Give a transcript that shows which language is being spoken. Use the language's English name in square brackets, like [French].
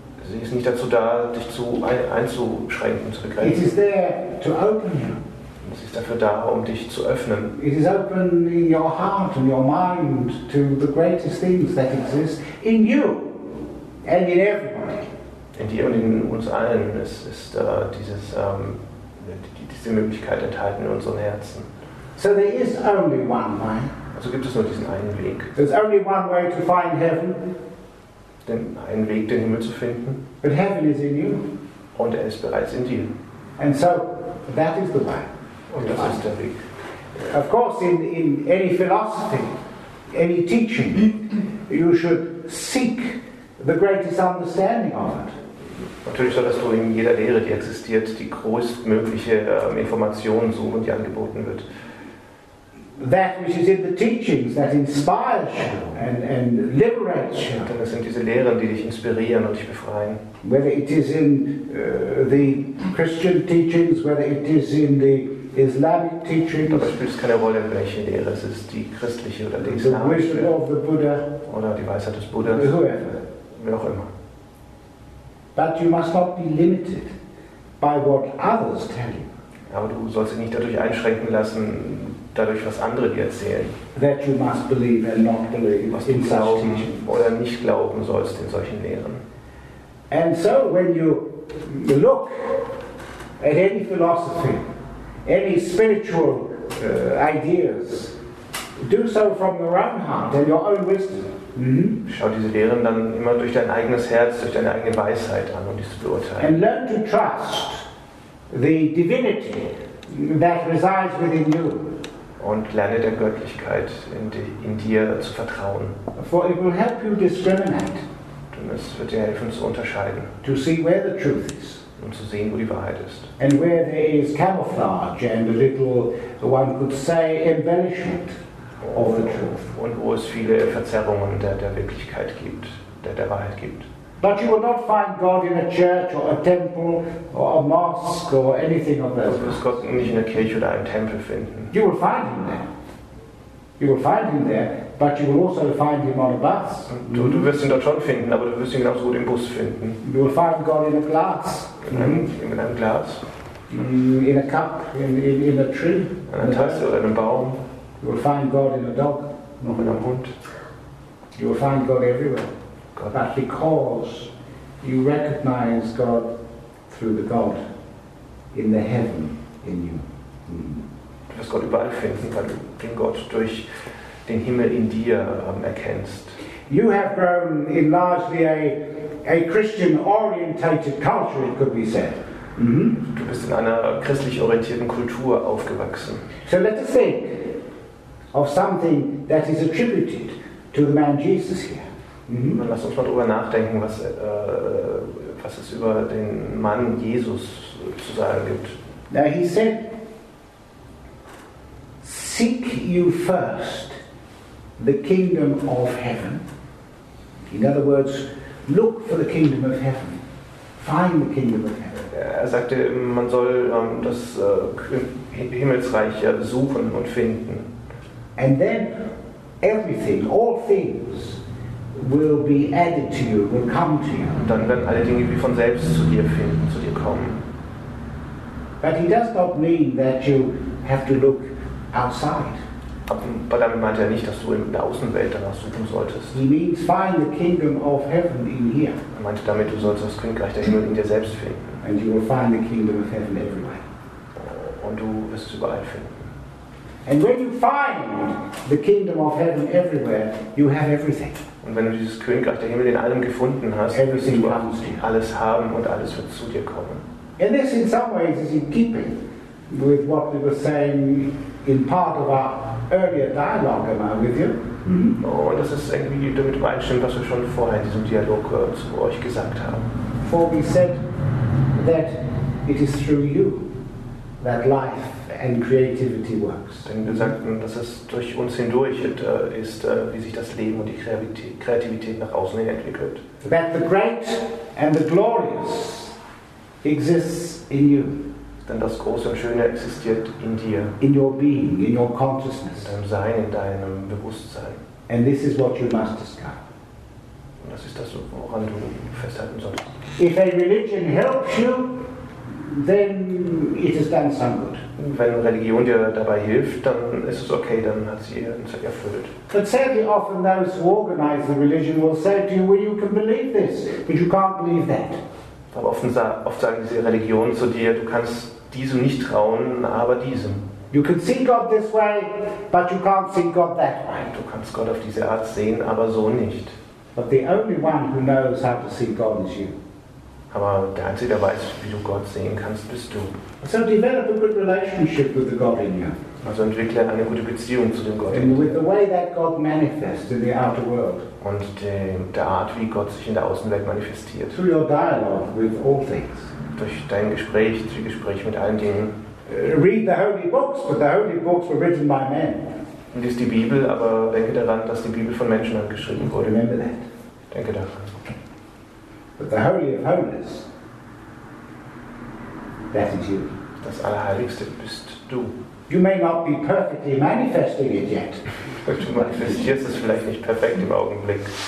[German] Sie ist nicht dazu da, dich zu einzuschränken, zu begrenzen. [English] It is there to open you. [German] Es ist dafür da, um dich zu öffnen. [English] It is opening your heart and your mind to the greatest things that exist in you and in everybody. [German] In dir und in uns allen ist dieses diese Möglichkeit enthalten in unseren Herzen. [English] So there is only one way. [German] Also gibt es nur diesen einen Weg. [English] There's only one way to find heaven. [German] Den einen Weg, den Himmel zu finden. [English] But heaven is in you. [German] Und ist bereits in dir. [English] And so that is the way. [German] Und das ist der Weg. [English] Of course, in any philosophy, any teaching, you should seek the greatest understanding of it. [German] Natürlich solltest du in jeder Lehre, die existiert, die größtmögliche Information suchen, die angeboten wird. [English] That which is in the teachings that inspires you and liberates you. [German] Denn es sind diese Lehren, die dich inspirieren und dich befreien. [English] Whether it is in the Christian teachings, whether it is in the Islamic teachings. [German] Dabei spielt es keine Rolle, welche Lehre es ist, die christliche oder die islamische. [English] The wisdom of the Buddha. [German] Oder die Weisheit des Buddhas. [English] Whoever. [German] Wer auch immer. [English] But you must not be limited by what others tell you. [German] Aber du sollst dich nicht dadurch einschränken lassen, dadurch, was andere dir erzählen. [English] That you must believe and not believe. [German] Was du glauben oder nicht glauben sollst in solchen Lehren. [English] And so, when you look at any philosophy, any spiritual ideas, do so from your own heart and your own wisdom. Mm-hmm. [German] Schau diese Lehren dann immer durch dein eigenes Herz, durch deine eigene Weisheit an und dies beurteilen. [English] And learn to trust the divinity that resides within you. [German] Und lerne der Göttlichkeit in dir zu vertrauen. [English] For it will help you discriminate. [German] Denn es wird dir helfen zu unterscheiden. [English] To see where the truth is. [German] Um zu sehen, wo die Wahrheit ist. [English] And where there is camouflage and a little, one could say, embellishment of the truth. [German] Und wo es viele Verzerrungen der Wirklichkeit gibt, der Wahrheit gibt. [English] But you will not find God in a church or a temple or a mosque or anything of that. [German] Du wirst Gott nicht in der Kirche oder einem Tempel finden. [English] You will find him there. You will find him there, but you will also find him on a bus. [German] Du wirst ihn dort schon finden, aber du wirst ihn genauso gut im Bus finden. [English] You will find God in a glass. [German] In einem Glas. [English] In a cup, in a tree. [German] In einer Tasse oder einem Baum. [English] You will find God in a dog. [German] Noch in einem Hund. [English] You will find God everywhere. God. But because you recognize God through the God in the heaven in you. Mm. [German] Du wirst Gott überall finden, weil du den Gott durch den Himmel in dir erkennst. [English] You have grown in largely a Christian orientated culture, it could be said. Mm-hmm. [German] Du bist in einer christlich orientierten Kultur aufgewachsen. [English] So let us think of something that is attributed to the man Jesus here. Mm-hmm. [German] Dann lass uns mal darüber nachdenken, was es über den Mann Jesus zu sagen gibt. [English] Now he said, seek you first the kingdom of heaven. In other words, look for the kingdom of heaven. Find the kingdom of heaven. [German] Er sagte, man soll das Himmelsreich suchen und finden. [English] And then everything, all things will be added to you, will come to you. [German] Dann werden alle Dinge wie von selbst zu dir finden, zu dir kommen. [English] But he does not mean that you have to look outside. [German] Aber damit meint er nicht, dass du in der Außenwelt danach suchen solltest. [English] He means find the kingdom of heaven in here. [German] Er meinte damit, du sollst das Königreich der Himmel in dir selbst finden. [English] And you will find the kingdom of heaven everywhere. [German] Und du wirst es überall finden. [English] And when you find the kingdom of heaven everywhere, you have everything. [German] Und wenn du dieses Königreich der Himmel in allem gefunden hast, wirst du alles haben und alles wird zu dir kommen. [English] And this in some ways is in keeping with what we were saying in part of our earlier dialogue, am I with you? Mm-hmm. [German] Oh, und das ist irgendwie damit übereinstimmt, was wir schon vorher in diesem Dialog zu euch gesagt haben. [English] For we said that it is through you that life and creativity works. [German] Denn wir sagten, dass es durch uns hindurch ist, wie sich das Leben und die Kreativität nach außen hin entwickelt. [English] That the great and the glorious exists in you. [German] Denn das Große und Schöne existiert in dir. [English] In your being, in your consciousness. [German] In deinem Sein, in deinem Bewusstsein. [English] And this is what you must discover. [German] Und das ist das, woran du festhalten sollst. [English] If a religion helps you, then it has done some good. [German] Wenn Religion dir dabei hilft, dann ist es okay, dann hat sie ihren Zweck erfüllt. [English] But sadly often those who organize the religion will say to you, well, you can believe this, but you can't believe that. [German] Aber oft sagen diese Religionen zu dir, du kannst diesem nicht trauen, aber diesem. [English] You can see God this way, but you can't see God that way. [German] Nein, du kannst Gott auf diese Art sehen, aber so nicht. [English] But the only one who knows how to see God is you. [German] Aber der Einzige, der weiß, wie du Gott sehen kannst, bist du. [English] So develop a good relationship with the God in you. [German] Also entwickle eine gute Beziehung zu dem Gott in dir. [English] With the way that God manifests in the outer world. [German] Und der Art, wie Gott sich in der Außenwelt manifestiert. [English] Through your dialogue with all things. [German] Durch dein Gespräch mit allen Dingen. [English] Read the holy books, but the holy books were written by men. [German] Und ist die Bibel, aber denke daran, dass die Bibel von Menschen geschrieben wurde. [English] Remember that. [German] Denke daran. [English] But the Holy of Holies, that is you. [German] Das Allerheiligste bist du. [English] You may not be perfectly manifesting it yet. [German] Du manifestierst es vielleicht nicht perfekt im Augenblick.